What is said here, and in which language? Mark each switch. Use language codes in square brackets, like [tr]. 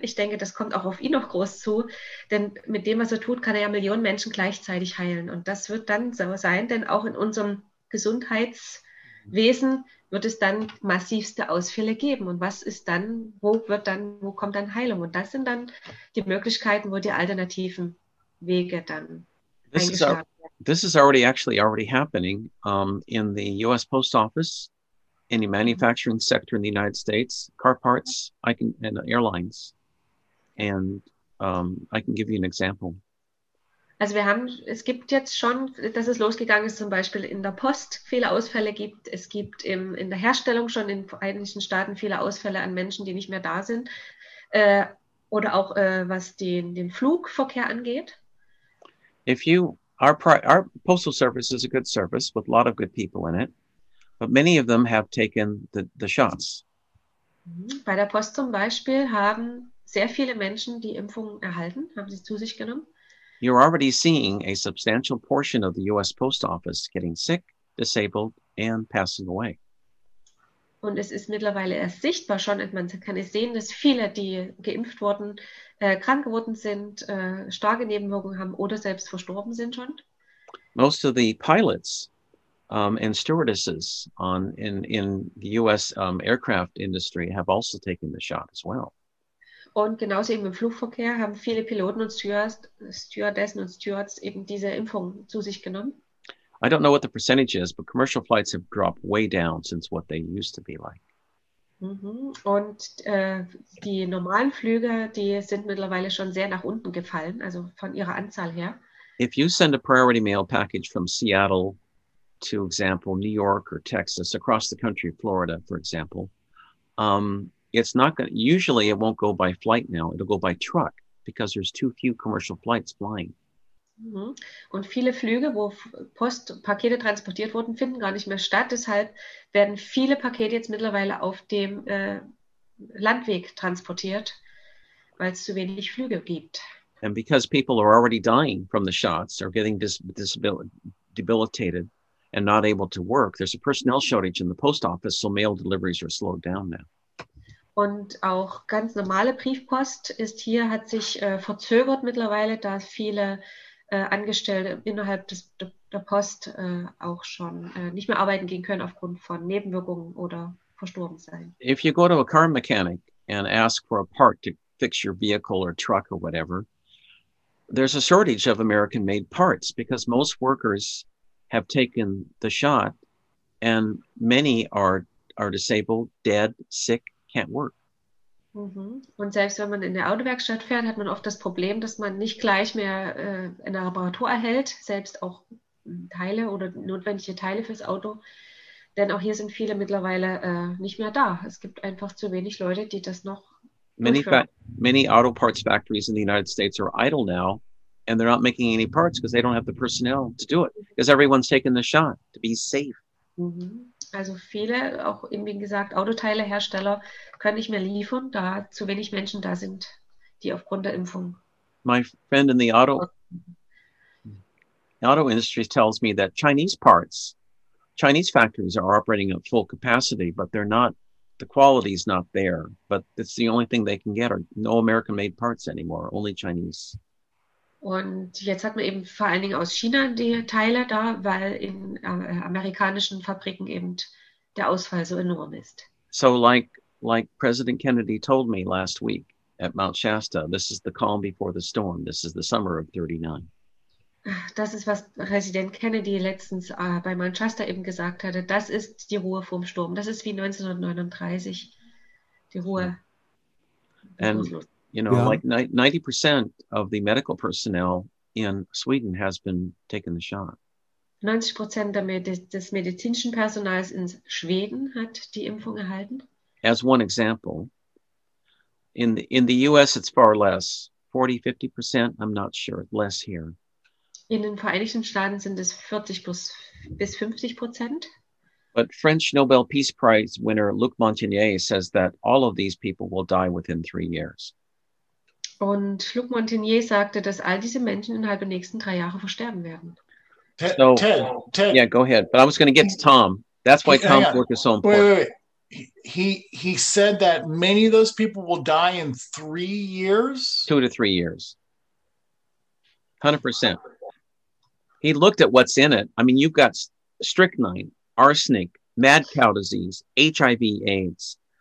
[de] Ich denke, das kommt auch auf ihn noch groß zu. Denn mit dem, was er tut, kann er ja Millionen Menschen gleichzeitig heilen. Und das wird dann so sein, denn auch in unserem Gesundheitswesen wird es dann massivste Ausfälle geben. Und was ist dann, wo kommt dann Heilung? Und das sind dann die Möglichkeiten, wo die alternativen Wege dann [en] This is already actually already happening in the US Post Office, in the manufacturing sector in the United States, car parts, and airlines. And I can give you an example. [de] Also es gibt jetzt schon, dass es losgegangen ist, zum Beispiel in der Post viele Ausfälle gibt. Es gibt in der Herstellung schon in Vereinigten Staaten viele Ausfälle an Menschen, die nicht mehr da sind. Oder auch was den Flugverkehr angeht. [en] Our postal service is a good service with a lot of good people in it. But many of them have taken the shots. [de] Bei der Post zum Beispiel haben sehr viele Menschen die Impfung erhalten, haben sie zu sich genommen. [en] You're already seeing a substantial portion of the U.S. Post Office getting sick, disabled, and passing away. [de] Und es ist mittlerweile erst sichtbar schon, und man kann es sehen, dass viele, die geimpft wurden, krank geworden sind, starke Nebenwirkungen haben oder selbst verstorben sind schon. [en] Most of the pilots and stewardesses in the U.S. Aircraft industry have also taken the shot as well. [de] Und genauso eben im Flugverkehr haben viele Piloten und Stewardessen und Stewards eben diese Impfung zu sich genommen. [en] I don't know what the percentage is, but commercial flights have dropped way down since what they used to be like. [de] Und die normalen Flüge, die sind mittlerweile schon sehr nach unten gefallen, also von ihrer Anzahl her. [en] If you send a priority mail package from Seattle to, example, New York or Texas, across the country, Florida, for example, it's not going to, usually it won't go by flight now, it'll go by truck, because there's too few commercial flights flying. [de] Und viele Flüge, wo Postpakete transportiert wurden, finden gar nicht mehr statt. Deshalb werden viele Pakete jetzt mittlerweile auf dem Landweg transportiert, weil es zu wenig Flüge gibt. [en] And because people are already dying from the shots, they're getting debilitated and not able to work, there's a personnel shortage in the post office, so mail deliveries are slowed down now. [de] Und auch ganz normale Briefpost ist hier, hat sich verzögert mittlerweile, da viele Angestellte innerhalb der Post auch schon nicht mehr arbeiten gehen können aufgrund von Nebenwirkungen oder verstorben sein. [en] If you go to a car mechanic and ask for a part to fix your vehicle or truck or whatever, there's a shortage of American-made parts because most workers have taken the shot and many are disabled, dead, sick, can't work. [de] Und selbst wenn man in der Autowerkstatt fährt, hat man oft das Problem, dass man nicht gleich mehr eine Reparatur erhält, selbst auch Teile oder notwendige Teile fürs Auto. Denn auch hier sind viele mittlerweile nicht mehr da. Es gibt einfach zu wenig Leute, die das noch [en] Many auto parts factories in the United States are idle now and they're not making any parts because they don't have the personnel to do it. Because everyone's taken the shot to be safe. [de] Also viele, auch eben wie gesagt, Autoteilehersteller können nicht mehr liefern, da zu wenig Menschen da sind, die aufgrund der Impfung. [en] My friend in the auto industry tells me that Chinese factories are operating at full capacity, but they're not, the quality is not there. But it's the only thing they can get are no American-made parts anymore, only Chinese. [de] Und jetzt hat man eben vor allen Dingen aus China die Teile da, weil in amerikanischen Fabriken eben der Ausfall so enorm ist. [en] So like President Kennedy told me last week at Mount Shasta, this is the calm before the storm, this is the summer of 39. [de] Das ist, was Präsident Kennedy letztens bei Mount Shasta eben gesagt hatte, das ist die Ruhe vorm Sturm, das ist wie 1939, die Ruhe. [en] And you know, yeah. Like 90% of the medical personnel in Sweden has been taken the shot. [de] 90% des medizinischen Personals in Schweden hat die Impfung erhalten. [en] As one example, in the US it's far less, 40-50%, I'm not sure, less here. [de] In den Vereinigten Staaten sind es 40 bis 50%. [en] But French Nobel Peace Prize winner Luc Montagnier says that all of these people will die within 3 years. [de] Und Luc Montagnier sagte, dass all diese Menschen innerhalb der nächsten 3 Jahre versterben werden. [en] Ted. Yeah, go ahead. But I was going to get to Tom. That's why Tom's work is so important. Wait. He said that many of those people will die in 3 years? 2 to 3 years. 100%. He looked at what's in it. I mean, you've got strychnine, arsenic, mad cow disease, HIV, AIDS.